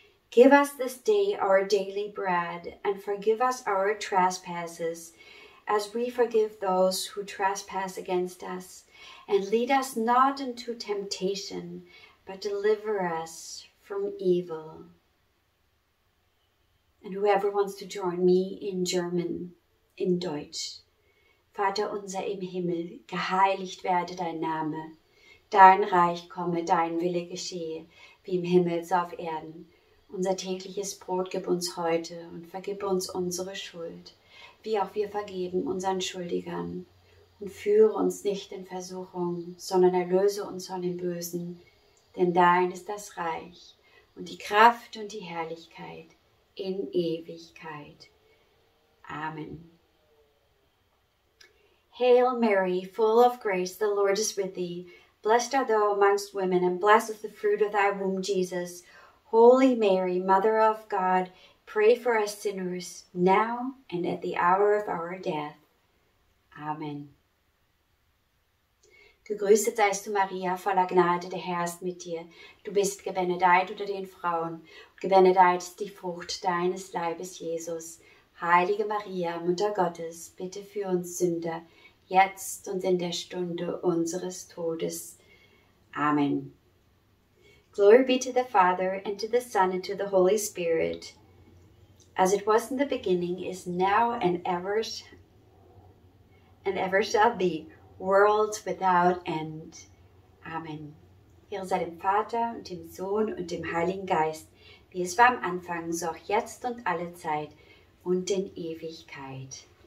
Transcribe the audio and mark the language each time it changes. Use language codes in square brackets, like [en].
[en] Give us this day our daily bread, and forgive us our trespasses, as we forgive those who trespass against us. And lead us not into temptation, but deliver us from evil. And whoever wants to join me in German, [de] in Deutsch, Vater unser im Himmel, geheiligt werde dein Name. Dein Reich komme, dein Wille geschehe, wie im Himmel so auf Erden. Unser tägliches Brot gib uns heute und vergib uns unsere Schuld, wie auch wir vergeben unseren Schuldigern. Und führe uns nicht in Versuchung, sondern erlöse uns von dem Bösen. Denn dein ist das Reich und die Kraft und die Herrlichkeit in Ewigkeit. Amen. [en] Hail Mary, full of grace, the Lord is with thee. Blessed art thou amongst women, and blessed is the fruit of thy womb, Jesus. Holy Mary, Mother of God, pray for us sinners, now and at the hour of our death. Amen. [de] Gegrüßet seist du, Maria, voller Gnade, der Herr ist mit dir. Du bist gebenedeit unter den Frauen, und gebenedeit ist die Frucht deines Leibes, Jesus. Heilige Maria, Mutter Gottes, bitte für uns Sünder, jetzt und in der Stunde unseres Todes. Amen. [en] Glory be to the Father, and to the Son, and to the Holy Spirit. As it was in the beginning, is now, and ever shall be, world without end. Amen. [de] Ehre sei dem Vater, und dem Sohn, und dem Heiligen Geist, wie es war am Anfang, so auch jetzt und alle Zeit, und in Ewigkeit.